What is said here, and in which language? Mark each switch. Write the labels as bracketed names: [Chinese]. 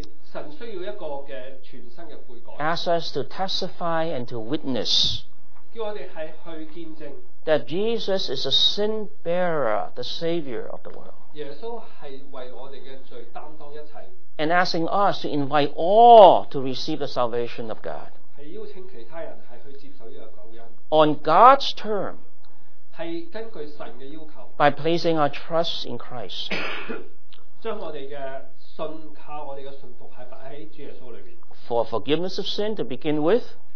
[Cantonese] 神需要一个嘅全新嘅悔改。 [English] Ask us to testify and to witness. [Cantonese] 叫我哋系去见证。 [English] That Jesus is a sin bearer, the Savior of the world. [Cantonese] 耶稣系为我哋嘅罪担当一切。 [English] And asking us to invite all to receive the salvation of God. [Cantonese] 系邀请其他人系去接受呢个救恩。 [English] On God's term. [Cantonese] 系根据神嘅要求。 [English] By placing our trust in Christ. [Cantonese] 将我哋嘅信靠我哋嘅信服系摆喺主耶稣里边。 [English] For forgiveness of sin to begin with，